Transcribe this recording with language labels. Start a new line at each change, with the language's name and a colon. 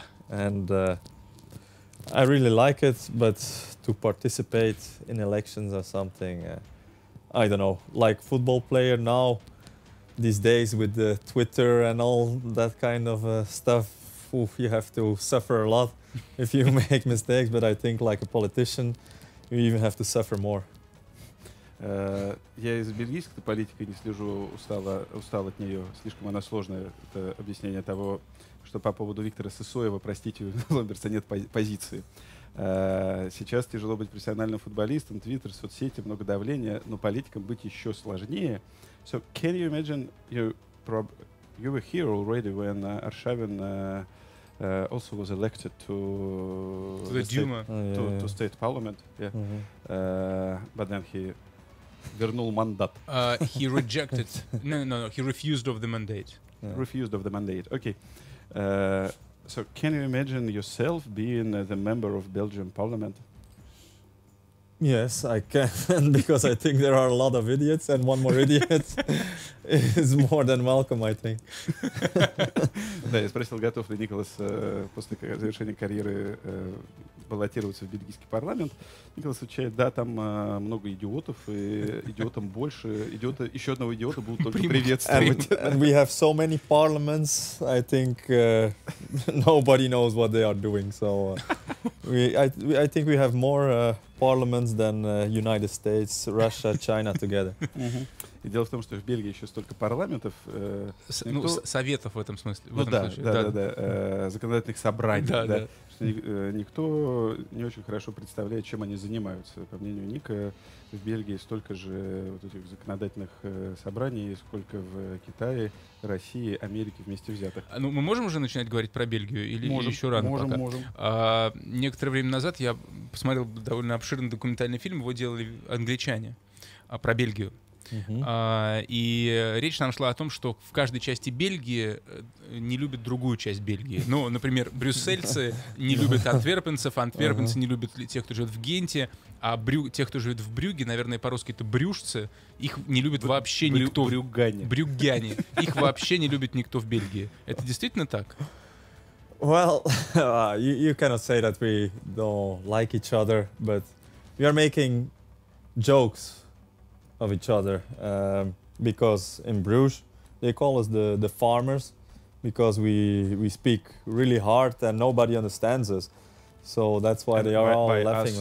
English: I really like it, but to participate in elections or something, I don't know. Like football player now, these days with the Twitter and all that kind of stuff, oof, you have to suffer a lot if you make mistakes. But I think like a politician, you even have to suffer more.
Russian: Я из бельгийской политики не слежу, устал от нее. Слишком она сложная, это объяснение того, что по поводу Виктора Сысоева, простите, у Ломберса нет позиции. Сейчас тяжело быть профессиональным футболистом, Твиттер, соцсети, много давления, но политикам быть еще сложнее.
English: So, can you imagine, you were here already when Arshavin also was elected to the Duma, to state parliament, yeah. But then he
Russian: вернул мандат.
English: He rejected. No. He refused of the mandate. Yeah. Refused of the mandate. Okay. So can you imagine yourself being the member of Belgian Parliament? Yes, I can, because I think there are a lot of idiots, and one more idiot is more than welcome, I think.
Russian: Да, я спросил, готов ли Николас после завершения карьеры баллотироваться в бельгийский парламент. Николас отвечает, да, там много идиотов, и идиотам больше, еще одного идиота будут только приветствовать.
English: And we have so many parliaments, I think nobody knows what they are doing, so I think we have more... parliaments than United States, Russia, China together. Mm-hmm.
Russian: И дело в том, что в Бельгии еще столько парламентов. Советов в этом смысле. Да. Законодательных собраний. Да. Что никто не очень хорошо представляет, чем они занимаются. По мнению Ника, в Бельгии столько же вот этих законодательных собраний, сколько в Китае, России, Америке вместе взятых. Ну, мы можем уже начинать говорить про Бельгию? Или еще рано? Можем. Некоторое время назад я посмотрел довольно обширный документальный фильм, его делали англичане, про Бельгию. И речь там шла о том, что в каждой части Бельгии не любят другую часть Бельгии. Ну, например, брюссельцы не любят антверпенцев, антверпенцы не любят тех, кто живет в Генте, а тех, кто живет в Брюгге, наверное, по-русски это брюшцы, их не любит вообще никто. Брюггане. Брюггане. Их вообще не любит никто в Бельгии. Это действительно так?
English: Well, you cannot say that we don't like each other, but we are making jokes of each other, because in Bruges they call us the farmers, because we speak really hard and nobody understands us, so that's why they are all laughing